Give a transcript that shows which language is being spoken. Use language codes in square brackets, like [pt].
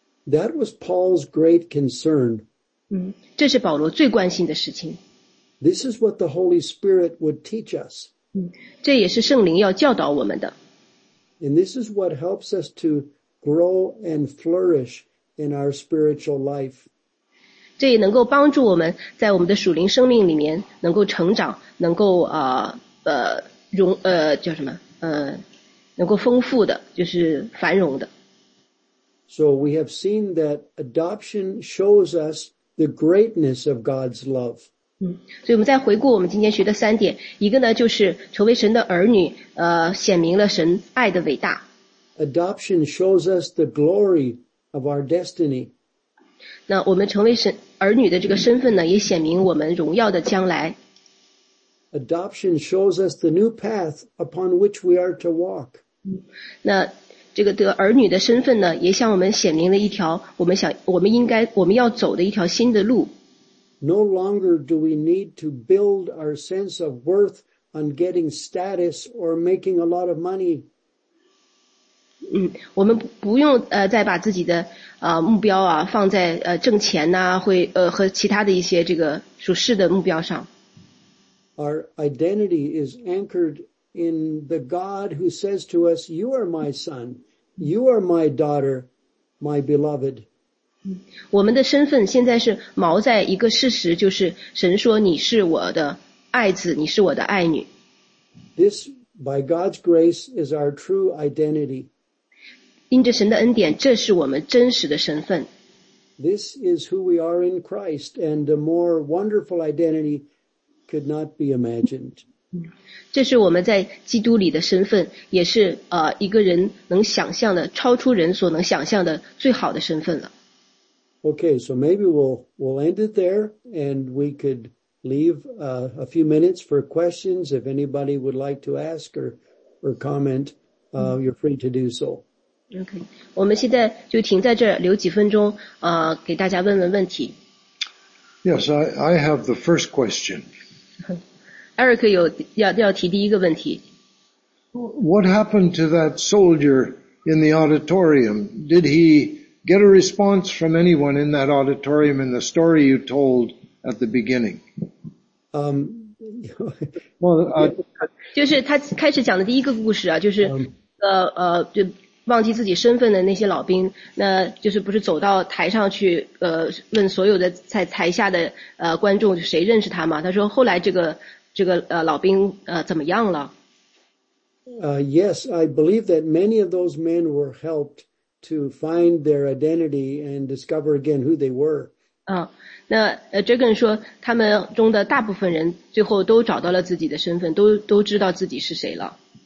[en] That was Paul's great concern. [zh] 这是保罗最关心的事情。 [en] This is what the Holy Spirit would teach us. [zh] 这也是圣灵要教导我们的。 [en] And this is what helps us to grow and flourish in our spiritual life. [zh] 这也能够帮助我们在我们的属灵生命里面能够成长，能够叫什么能够丰富的，就是繁荣的。 [en] So we have seen that adoption shows us the greatness of God's love. [zh] 所以我们再回顾我们今天学的三点，一个呢就是成为神的儿女，显明了神爱的伟大。 [en] Adoption shows us the glory of our destiny. [zh] 那我们成为神儿女的这个身份呢，也显明我们荣耀的将来。 [en] Adoption shows us the new path upon which we are to walk. [zh] 那这个得儿女的身份呢，也向我们显明了一条我们要走的一条新的路。 [en] No longer do we need to build our sense of worth on getting status or making a lot of money. [zh] 我们不用再把自己的目标啊放在挣钱呐、啊，会和其他的一些这个属世的目标上。 [en] Our identity is anchored in the God who says to us, "You are my son, you are my daughter, my beloved." [zh] 我们的身份现在是锚在一个事实，就是神说你是我的爱子，你是我的爱女。 [en] This, by God's grace, is our true identity. [zh] 因着神的恩典，这是我们真实的身份。 [en] This is who we are in Christ, and a more wonderful identity could not be imagined. [zh] 这是我们在基督里的身份，也是一个人能想象的，超出人所能想象的最好的身份了。 [en] Okay, so maybe we'll end it there, and we could leave a few minutes for questions if anybody would like to ask or comment. You're free to do so. [zh] OK， 我们现在就停在这儿，留几分钟，给大家问问问题。 [en] Yes, I have the first question. [zh] Eric 有要提第一个问题。 [en] What happened to that soldier in the auditorium? Did he get a response from anyone in that auditorium in the story you told at the beginning? [zh] Well, 就是他开始讲的第一个故事啊，就是就忘记自己身份的那些老兵，那就是不是走到台上去问所有的在台下的观众谁认识他吗？他说后来这个老兵怎么样了？ [en] Yes, I believe that many of those men were helped to find their identity and discover again who they were. [zh] 那Jürgen说他们中的大部分人最后都找到了自己的身份，都知道自己是谁了。